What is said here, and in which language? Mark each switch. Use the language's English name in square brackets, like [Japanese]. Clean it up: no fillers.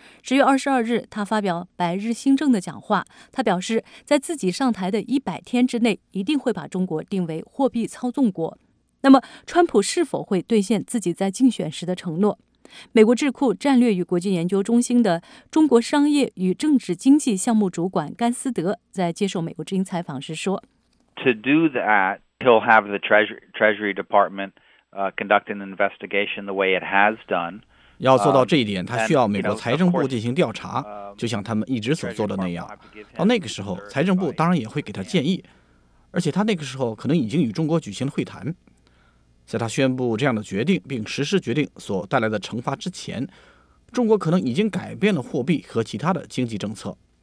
[Chinese] 10月22日，他发表白日新政的讲话，他表示在自己上台的100天之内，一定会把中国定为货币操纵国。那么，川普是否会兑现自己在竞选时的承诺？美国智库战略与国际研究中心的中国商业与政治经济项目主管甘思德在接受美国之音采访时说 [English] ：“To do that, he'll have the Treasury Department conduct an investigation the way it has done.” [Chinese] 要做到这一点，他需要美国财政部进行调查，就像他们一直所做的那样。到那个时候，财政部当然也会给他建议，而且他那个时候可能已经与中国举行了会谈。在他宣布这样的决定并实施决定所带来的惩罚之前，中国可能已经改变了货币和其他的经济政策。